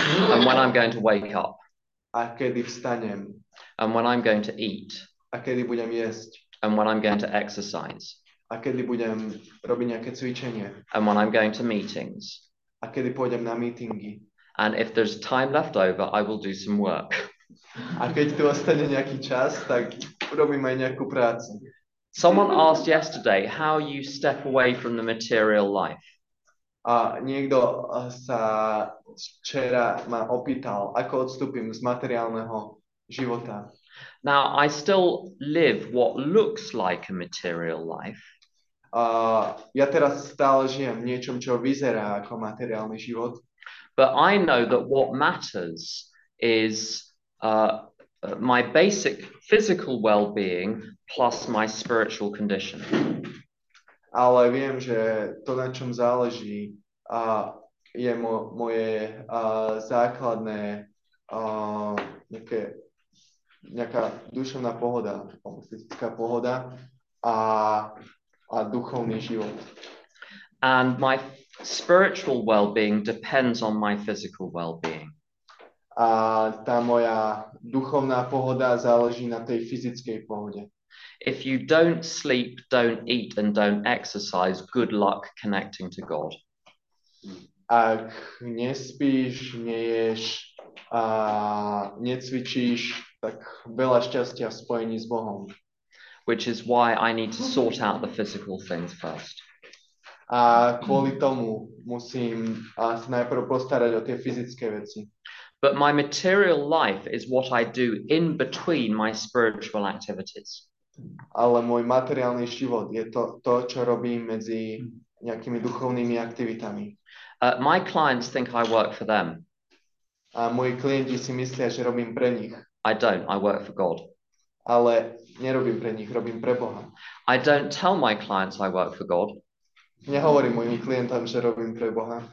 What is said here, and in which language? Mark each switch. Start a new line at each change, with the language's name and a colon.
English: And when I'm going to wake up.
Slovak: A kedy vstanem.
English: And when I'm going to eat.
Slovak: A kedy budem jesť.
English: And when I'm going to exercise.
Slovak: A kedy budem robiť nejaké cvičenie.
English: And when I'm going to meetings.
Slovak: A kedy pôjdem na meetingy.
English: And if there's time left over, I will do some work.
Slovak: A keď tu ostane nejaký čas, tak urobím aj nejakú prácu.
English: Someone asked yesterday how you step away from the material life.
Slovak: A niekto sa včera ma opýtal, ako odstúpim z materiálneho života.
English: Now I still live what looks like a material life.
Slovak: Ja teraz stále žijem niečom, čo vyzerá ako materiálny život.
English: But I know that what matters is my basic physical well-being plus my spiritual condition.
Slovak: Ale viem, že to, na čom záleží, je moje základné nejaké nejaká duševná pohoda, fyzická pohoda a duchovný život.
English: And my spiritual well-being depends on my physical well-being.
Slovak: A tá moja duchovná pohoda záleží na tej fyzickej pohode.
English: If you don't sleep, don't eat and don't exercise, good luck connecting to God.
Slovak: Ak nespíš, neješ a necvičíš, tak veľa šťastia v spojení s Bohom.
English: Which is why I need to sort out the physical things first.
Slovak: A kvôli tomu musím sa najprv postarať o tie fyzické veci.
English: But my material life is what I do in between my spiritual activities.
Slovak: Ale môj materiálny život je to, to čo robím medzi nejakými duchovnými aktivitami.
English: My clients think I work for them.
Slovak: A moji klienti si myslia, že robím pre nich.
English: I don't, I work for God.
Slovak: Ale nerobím pre nich, robím pre Boha.
English: I don't tell my clients I work for God.
Slovak: Nehovorím mojim klientom, že robím pre Boha.